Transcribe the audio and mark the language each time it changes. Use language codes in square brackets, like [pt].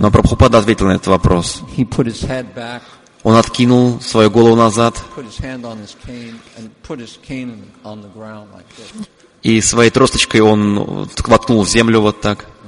[ru] Но Прабхупада ответил на этот вопрос. [en] He put his head back. [ru] Он откинул свою голову назад. [en] Put his hand on his cane and put his cane on the ground like this. [ru] И своей тросточкой он воткнул в землю вот так.